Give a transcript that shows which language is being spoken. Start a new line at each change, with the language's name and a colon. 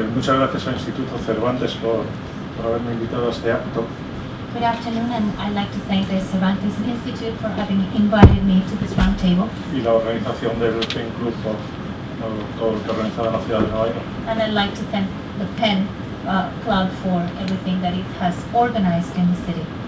Spanish: Muchas gracias al Instituto Cervantes por haberme invitado a este acto.
English: Good afternoon, and I'd like to thank the Cervantes Institute for having invited me to this round table.
Spanish: Y la organización del PEN Club por todo lo que organizaba en la ciudad de Nueva York.
English: And I'd like to thank the PEN Club for everything that it has organized in the city.